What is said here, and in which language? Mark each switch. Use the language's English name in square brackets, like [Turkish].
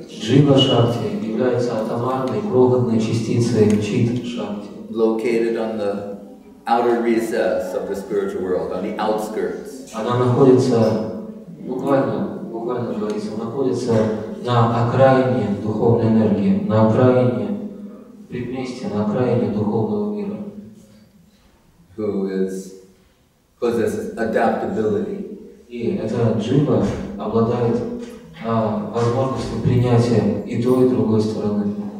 [Russian] Jiva Shakti является атомарной, крохотной частицей Чит-Шакти. [English] Located on the outer recess of the spiritual world, on the outskirts. [Russian] Она находится, буквально говорится, находится на окраине духовной энергии, на окраине, предместье, на окраине духовного мира. [English] Who is, possesses adaptability. [Russian] И эта Джива обладает возможности принятия и той, и другой стороны.